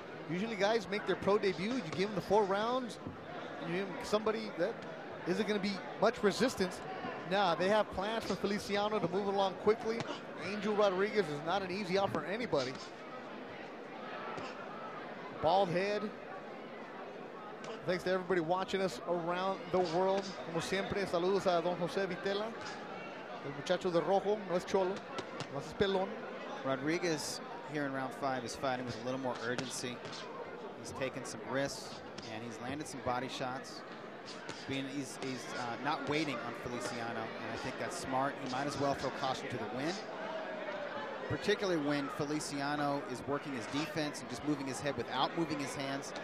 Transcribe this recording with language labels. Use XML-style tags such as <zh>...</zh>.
<en>Usually guys make their pro debut, you give them the four rounds, you give them somebody that isn't going to be much resistance. Nah, they have plans for Feliciano to move along quickly. Angel Rodriguez is not an easy out for anybody. Bald head. Thanks to everybody watching us around the world.</en> <es>Como siempre, saludos a Don Jose Vitela. El muchacho de rojo, no es cholo, no es pelón.</es> <en>Rodriguez here in round five is fighting with a little more urgency. He's taking some risks and he's landed some body shots. He's not waiting on Feliciano, and I think that's smart. He might as well throw caution to the wind, particularly when Feliciano is working his defense and just moving his head without moving his hands.</en>